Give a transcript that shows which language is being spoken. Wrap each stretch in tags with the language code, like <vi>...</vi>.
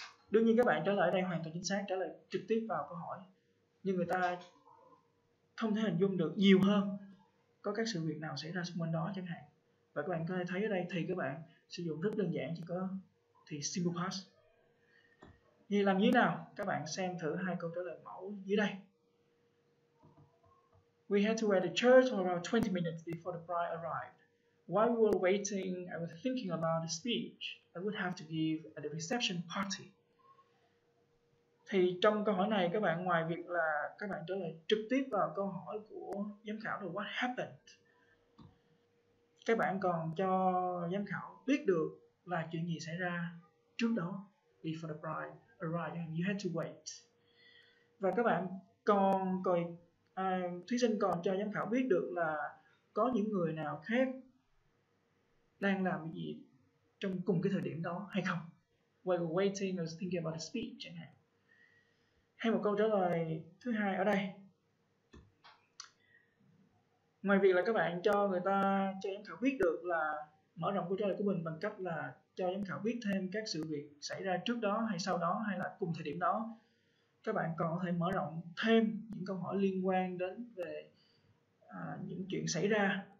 <vi>Đương nhiên các bạn trả lời ở đây hoàn toàn chính xác, trả lời trực tiếp vào câu hỏi. Nhưng người ta không thể hình dung được nhiều hơn có các sự việc nào xảy ra xung quanh đó chẳng hạn. Và các bạn có thể thấy ở đây thì các bạn sử dụng rất đơn giản, chỉ có thì simple past. Như làm như thế nào? Các bạn xem thử hai câu trả lời mẫu dưới đây.</vi> <en>We had to wait at church for about 20 minutes before the bride arrived. While we were waiting, I was thinking about the speech I would have to give at the reception party.</en> <vi>Thì trong câu hỏi này các bạn ngoài việc là các bạn trả lời trực tiếp vào câu hỏi của giám khảo là</vi> <en>what happened,</en> <vi>các bạn còn cho giám khảo biết được là chuyện gì xảy ra trước đó,</vi> <en>before the bride arrived and you had to wait.</en> <vi>Và các bạn còn coi thí sinh còn cho giám khảo biết được là có những người nào khác đang làm gì trong cùng cái thời điểm đó hay không.</vi> <en>While we were waiting, I was thinking about the speech</en> <vi>chẳng hạn. Hay một câu trả lời thứ hai ở đây. Ngoài việc là các bạn cho người ta, cho giám khảo biết được là mở rộng câu trả lời của mình bằng cách là cho giám khảo biết thêm các sự việc xảy ra trước đó hay sau đó hay là cùng thời điểm đó, các bạn còn có thể mở rộng thêm những câu hỏi liên quan đến về những chuyện xảy ra.</vi>